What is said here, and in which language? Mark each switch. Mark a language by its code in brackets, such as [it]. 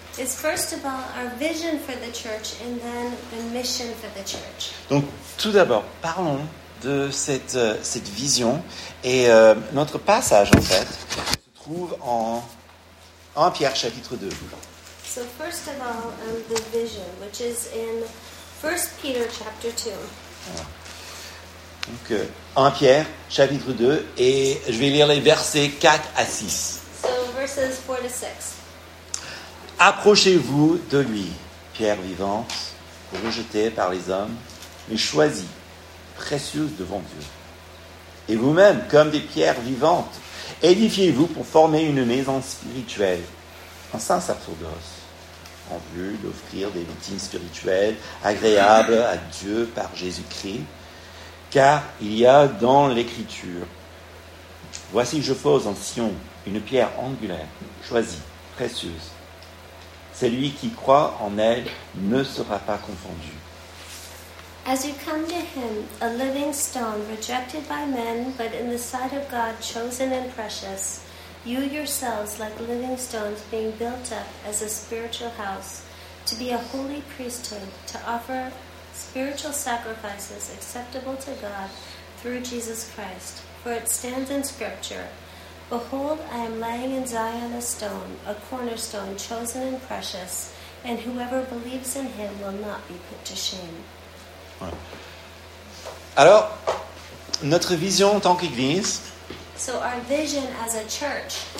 [en] It's first of all our vision for the church, and then the mission for the church. [fr] Donc, tout d'abord, parlons de cette vision, et notre passage, en fait, se trouve en 1 Pierre, chapitre 2. [en] So, first of all, the vision, which is in 1 Peter, chapter 2. [fr] Donc, 1 Pierre, chapitre 2, et je vais lire les versets 4 à 6. [en] So, verses 4 to 6. [fr] Approchez-vous de lui, pierre vivante, rejetée par les hommes, mais choisie, précieuse devant Dieu. Et vous-même, comme des pierres vivantes, édifiez-vous pour former une maison spirituelle, un saint sacerdoce, en vue d'offrir des victimes spirituelles agréables à Dieu par Jésus-Christ. Car il y a dans l'Écriture, voici je pose en Sion une pierre angulaire, choisie, précieuse. Celui qui croit en elle ne sera pas confondu. [en] As you come to him, a living stone rejected by men, but in the sight of God chosen and precious, you yourselves, like living stones, being built up as a spiritual house, to be a holy priesthood, to offer spiritual sacrifices acceptable to God through Jesus Christ. For it stands in Scripture, "Behold, I am laying in Zion a stone, a cornerstone chosen and precious, and whoever believes in him will not be put to shame." [fr] Ouais. Alors, notre vision en tant qu'église, [en] so our vision as a church,